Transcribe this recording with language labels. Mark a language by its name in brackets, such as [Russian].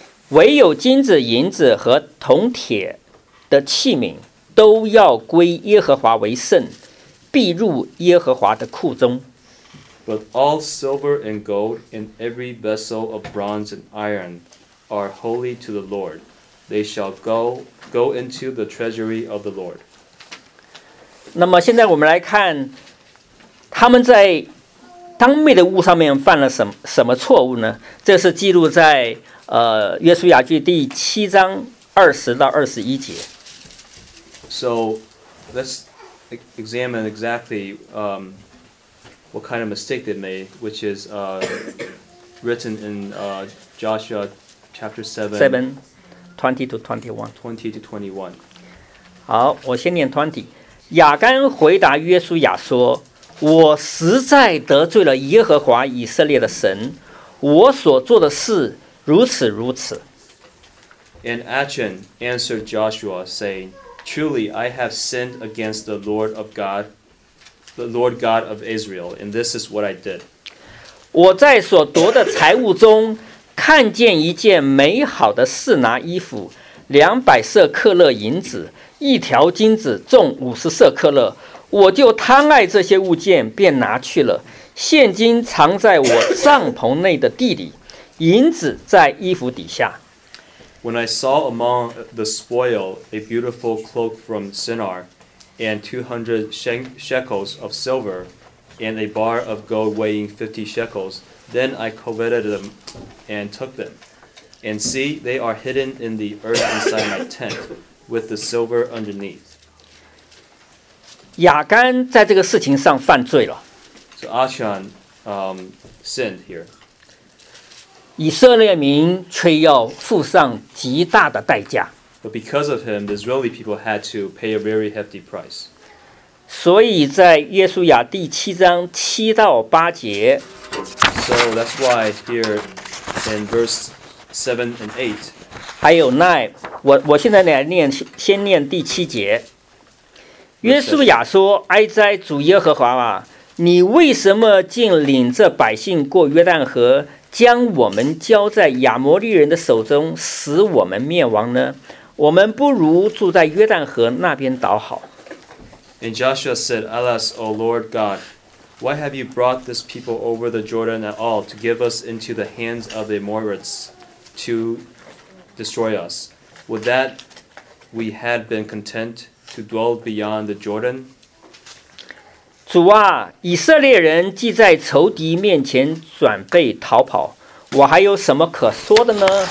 [Chinese] 唯有金子、银子和铜铁的器皿都要归耶和华为圣，必入耶和华的库中。 [English] But all silver and gold and every vessel of bronze and iron are holy to the Lord. They shall go into the treasury of the Lord. [Chinese] 那么现在我们来看，他们在当灭的物上面犯了什么错误呢？这是记录在约书亚记第七章二十到二十一节。 [English] So let's examine exactly what kind of mistake they made, which is written in Joshua chapter 7, 20 to 21. 20 to 21. [Chinese] 好，我先念 20. 亚干回答约书亚说，我实在得罪了耶和华以色列的神，我所做的事如此如此。 [English] And Achan answered Joshua, saying,Truly, I have sinned against the Lord of God, the Lord God of Israel, and this is what I did. [Chinese] 我在所夺的财物中看见一件美好的示拿衣服，两百色克勒银子，一条金子重五十色克勒，我就贪爱这些物件，便拿去了。现金藏在我帐篷内的地里，银子在衣服底下。 [English] When I saw among the spoil a beautiful cloak from Sinar, and 200 shekels of silver, and a bar of gold weighing 50 shekels, then I coveted them and took them. And see, they are hidden in the earth inside my tent, with the silver underneath. [Chinese] 亚干在这个事情上犯罪了。 [English] So Achan sinned here. [Chinese] 以色列民却要付上极大的代价。 [English] But because of him, the Israeli people had to pay a very hefty price. [Chinese] 所以在约书亚第七章七到八节。 [English] So that's why here in verse 7 and 8. [Chinese] 还有9, 我现在来念，先念第七节。约书亚说：“哀哉，主耶和华啊，你为什么竟领着百姓过约旦河，将我们交在亚摩利人的手中，使我们灭亡呢？我们不如住在约旦河那边倒好。 [English] And Joshua said, Alas, O Lord God, why have you brought this people over the Jordan at all to give us into the hands of the Amorites to destroy us? Would that we had been content to dwell beyond the Jordan? [Chinese] 主啊，以色列人既在仇敌面前准备逃跑，我还有什么可说的呢？